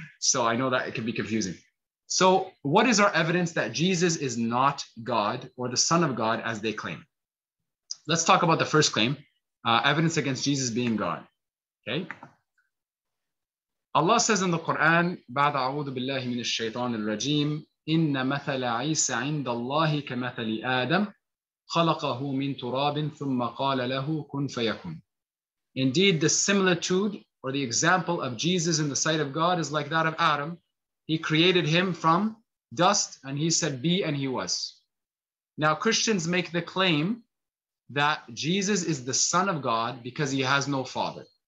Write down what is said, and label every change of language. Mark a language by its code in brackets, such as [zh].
[en] So I know that it can be confusing. So what is our evidence that Jesus is not God or the Son of God as they claim? Let's talk about the first claim, evidence against Jesus being God, okay? Allah says in the Quran, [ar] بعد أعوذ بالله من الشيطان الرجيم إن مثل عيسى عند الله كمثل آدم خلقه من تراب ثم قال له كن فيكون. [en] Indeed, the similitude or the example of Jesus in the sight of God is like that of Adam. He created him from dust and he said, be, and he was. Now, Christians make the claim that Jesus is the Son of God because he has no father.